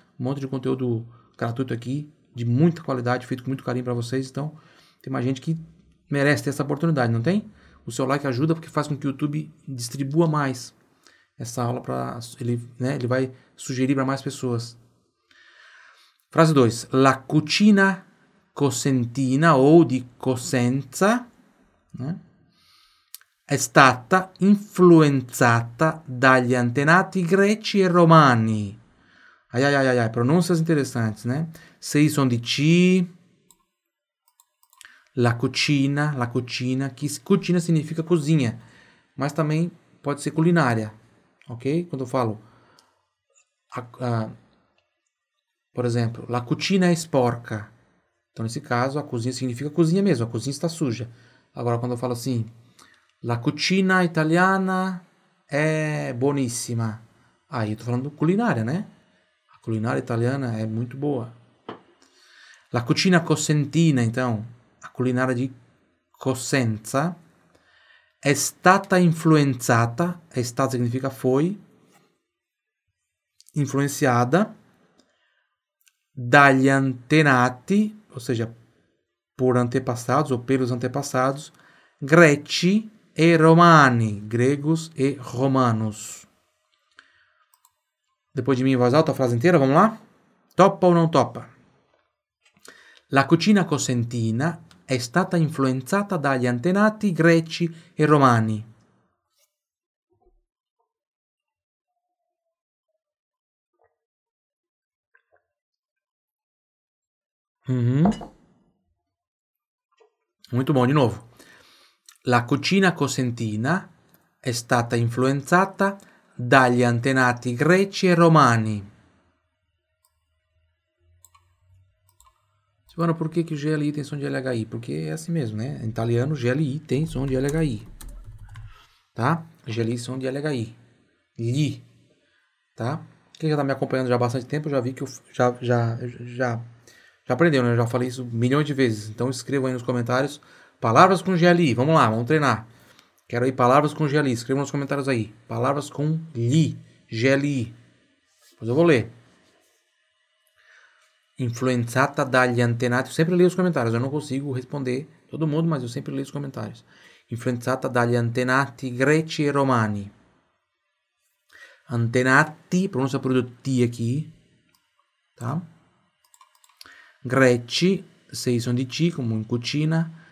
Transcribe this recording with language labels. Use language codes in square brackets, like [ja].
[pt] Um monte de conteúdo gratuito aqui, de muita qualidade, feito com muito carinho para vocês. Então, tem mais gente que merece ter essa oportunidade, não tem? O seu like ajuda porque faz com que o YouTube distribua mais essa aula para ele, né? Ele vai sugerir para mais pessoas. Frase 2. [it] La cucina cosentina ou di Cosenza, né, è stata influenzata dagli antenati greci e romani. [pt] Ai, pronuncias interessanti, né? Sei son di C. La cucina, que cucina significa cozinha, mas também pode ser culinária, ok? Quando eu falo, por exemplo, [it] la cucina è sporca. [pt] Então, nesse caso, a cozinha significa cozinha mesmo, a cozinha está suja. Agora, quando eu falo assim, [it] la cucina italiana è buonissima. [pt] Aí, eu estou falando culinária, né? A culinária italiana é muito boa. La cucina cosentina, então, culinária de Cosenza, [it] è stata influenzata, è stata [pt] significa foi, influenciada, [it] dagli antenati, [pt] ou seja, por antepassados, ou pelos antepassados, [it] greci e romani, [pt] gregos e romanos. Depois de mim, voz alta, a frase inteira, vamos lá? Topa ou não topa? [it] La cucina cosentina è stata influenzata dagli antenati greci e romani. Molto buono, di nuovo. La cucina cosentina è stata influenzata dagli antenati greci e romani. [pt] Mano, por que o GLI tem som de LHI? Porque é assim mesmo, né? Em italiano, GLI tem som de LHI. Tá? GLI, som de LHI. Li. Tá? Quem já tá me acompanhando já há bastante tempo, já vi que eu já aprendeu, né? Eu já falei isso milhões de vezes. Então escreva aí nos comentários palavras com GLI. Vamos lá, vamos treinar. Quero aí palavras com GLI. Escreva nos comentários aí. Palavras com li. GLI. Depois eu vou ler. [it] Influenzata dagli antenati. [pt] Eu sempre leio os comentários. Eu não consigo responder todo mundo, mas eu sempre leio os comentários. [it] Influenzata dagli antenati greci e romani. Antenati, pronuncia proprio T [pt] aqui. Tá? [it] Greci, sei son di C, come in cucina.